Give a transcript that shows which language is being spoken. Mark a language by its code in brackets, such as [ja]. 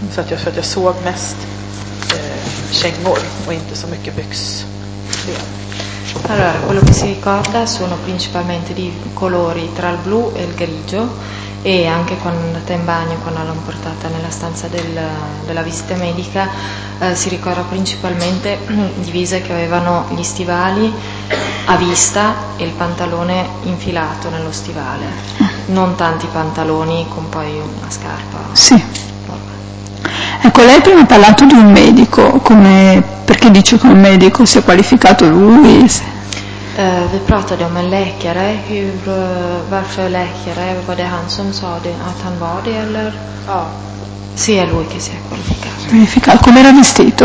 [sv] Så att jag såg mest kängor och inte så mycket byx. [it] Allora, quello che si ricorda sono principalmente di colori tra il blu e il grigio, e anche quando è andata in bagno, quando l'ho portata nella stanza della visita medica, si ricorda principalmente divise che avevano gli stivali a vista e il pantalone infilato nello stivale, non tanti pantaloni con poi una scarpa. Sì. Ecco, lei prima ha parlato di un medico, come, perché dice che un medico si è qualificato lui? [sv] Vi pratade om en läkare, varför läkare, var det han som sa det, att han var det eller? Ja. [it] Si è lui che si è qualificato. Qualificato, come era vestito?